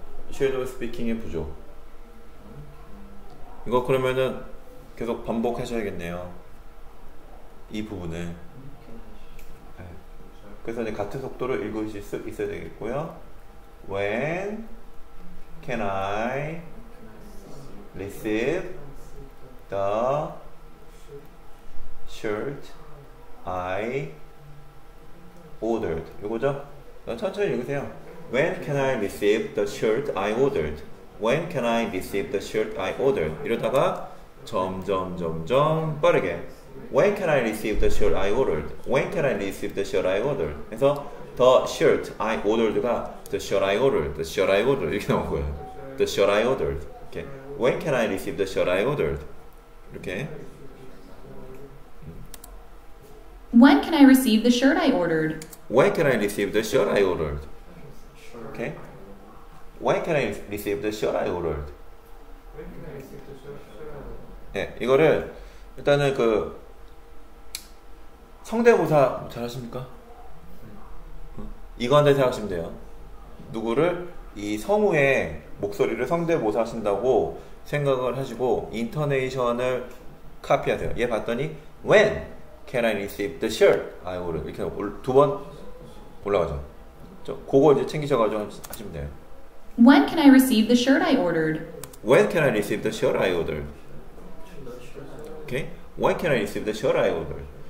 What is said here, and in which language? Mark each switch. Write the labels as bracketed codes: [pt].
[ko] 쉐도우 스피킹의 부족. 이거 그러면은 계속 반복하셔야겠네요. 이 부분을. 그래서 이제 같은 속도로 읽으실 수 있어야 되겠고요. [en] When can I receive the shirt I ordered? [ko] 이거죠? 천천히 읽으세요. [en] When can I receive the shirt I ordered? When can I receive the shirt I ordered? [ko] 이러다가 점점 빠르게. [en] When can I receive the shirt I ordered? When can I receive the shirt I ordered? [ko] 그래서 [en] the shirt I ordered가 the shirt I ordered, the shirt I ordered [ko] 이렇게 나온 거예요. [en] The shirt I ordered. Okay. When can I receive the shirt I ordered? [ko] 이렇게. [en] When can I receive the shirt I ordered? When can I receive the shirt I ordered? Okay. When can I receive the shirt I ordered? When can I receive the shirt I ordered? [ko] 네, 이거를 일단은 그 성대모사 잘하십니까? 이거한테 생각하시면 돼요. 누구를 이 성우의 목소리를 성대모사 하신다고 생각을 하시고 인터네이션을 카피하세요. 얘 봤더니 [en] When can I receive the shirt I ordered? [ko] 이렇게 두 번 올라가죠. 그거 이제 챙기셔가지고 하시면 돼요. [en] When can I receive the shirt I ordered? When can I receive the shirt I ordered? Okay. When can I receive the shirt I ordered?